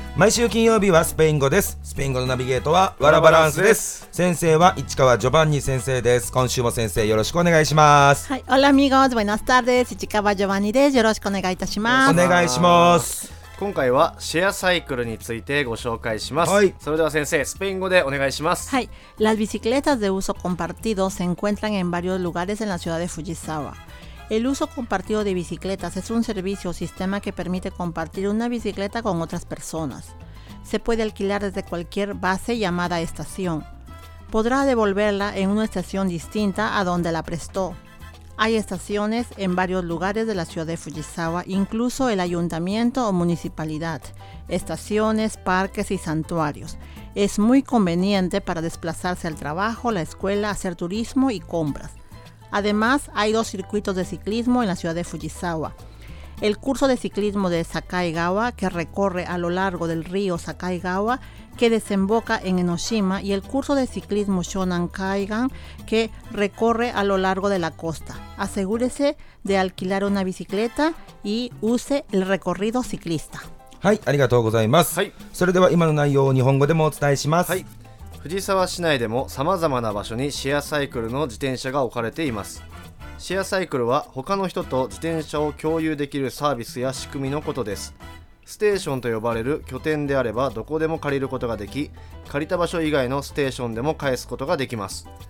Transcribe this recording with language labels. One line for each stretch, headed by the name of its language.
Japanese: 毎週金曜日はスペイン語です。スペイン語のナビゲートはワラバランスです。先生は市川ジョバンニ先生です。今週も先生よろしくお願いします。はい、オラミゴーズバイナスターです。市川ジョバンニです。よろしくお願いいたします。お願いします。今回はシェアサイクルについてご紹介します、はい、それでは先生スペイン語でお願いします。
Spanish: はい、las bicicletas de uso compartido se encuentran en varios lugares en la ciudad de Fujisawa。 El uso compartido de bicicletas es un servicio o sistema que permite compartir una bicicleta con otras personas. Se puede alquilar desde cualquier base llamada estación. Podrá devolverla en una estación distinta a donde la prestó. Hay estaciones en varios lugares de la ciudad de Fujisawa, incluso el ayuntamiento o municipalidad. Estaciones, parques y santuarios. Es muy conveniente para desplazarse al trabajo, la escuela, hacer turismo y compras. Además, hay dos circuitos de ciclismo en la ciudad de Fujisawa. El curso de ciclismo de Sakaigawa, que recorre a lo largo del río Sakaigawa, que desemboca en Enoshima, y el curso de ciclismo Shonankaigan, que recorre a lo largo de la costa. Asegúrese de alquilar una bicicleta y use el recorrido ciclista.
Japanese: はい、ありがとうございます。はい。それでは今の内容を日本語でもお伝えします。はい。藤沢市内でも様々な場所にシェアサイクルの自転車が置かれています。シェアサイクルは他の人と自転車を共有できるサービスや仕組みのことです。ステーションと呼ばれる拠点であればどこでも借りることができ、借りた場所以外のステーションでも返すことができます。